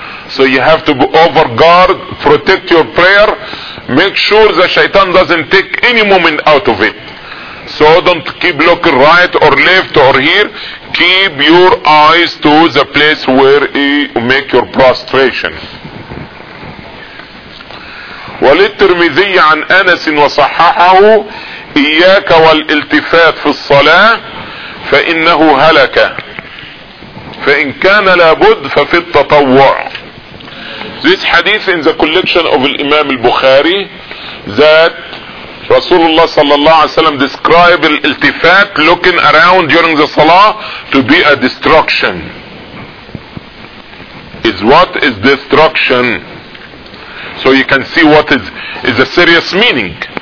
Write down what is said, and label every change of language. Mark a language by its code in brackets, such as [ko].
[en] So you have to go over guard, protect your prayer, make sure the shaitan doesn't take any moment out of it. So don't keep looking right or left or here. Keep your eyes to the place where you make your prostration. [ar] وللترمذي عن أنس وصححه إياك والالتفات في الصلاة فإنه هلك فإن كان لابد ففي التطوع. [en] This hadith in the collection of Imam al-Bukhari that Rasulullah sallallahu alayhi wa sallam described al-iltifat, looking around during the salah, to be a destruction. Is what is destruction? So you can see what is a serious meaning.